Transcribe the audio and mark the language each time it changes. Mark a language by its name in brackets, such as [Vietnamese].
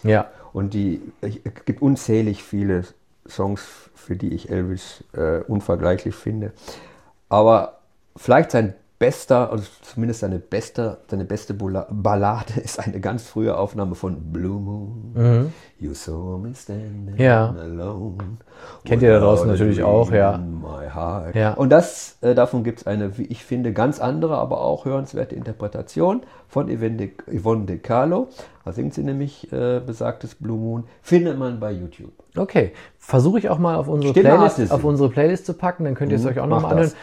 [German] Ja. Und es gibt unzählig viele Songs, für die ich Elvis unvergleichlich finde. Aber vielleicht sein bester, also zumindest seine beste Ballade ist eine ganz frühe Aufnahme von Blue Moon. Mhm. [English] You saw me standing alone. [German] Kennt ihr da draußen natürlich auch, ja. [English] My heart. [German] Ja. Und das davon gibt es eine, wie ich finde, ganz andere, aber auch hörenswerte Interpretation von Yvonne de Carlo. Da singt sie nämlich besagtes Blue Moon. Findet man bei YouTube. Okay, versuche ich auch mal auf unsere Playlist zu packen, dann könnt ihr es euch auch nochmal anhören.